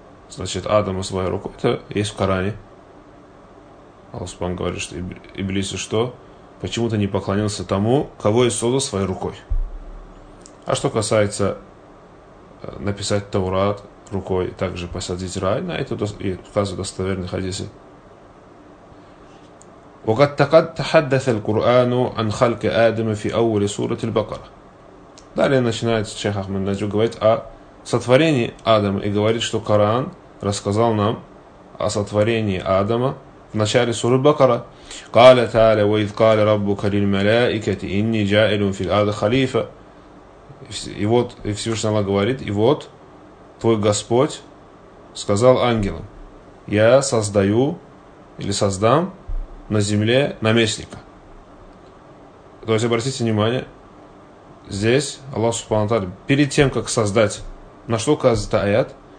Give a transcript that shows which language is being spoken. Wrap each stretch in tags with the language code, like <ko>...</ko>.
<ru>значит, Адама своей рукой. Это есть в Коране. Аллах Субхан говорит, что Иблис, что почему-то не поклонился тому, кого я создал своей рукой. А что касается написать Таурат рукой, также посадить рай, на это и указывает достоверный хадис.</ru> <ar>وقد تحدث القرآن عن خلق آدم في أول سورة البقرة.</ar> <ru>Далее начинает шейх Ахмад Наджиб говорить о сотворении Адама и говорит, что Коран рассказал нам о сотворении Адама в начале суры Бакара.</ru> <ar>قال تعالى وإذ قال ربك للملائكة إني جائل في الأرض خليفة.</ar> <ru>И вот и Всевышний Аллах говорит, и вот твой Господь сказал ангелам, я создаю или создам на земле наместника. То есть обратите внимание, здесь Аллах Субхану Тааля, перед тем, как создать, на что указывает аят?</ru>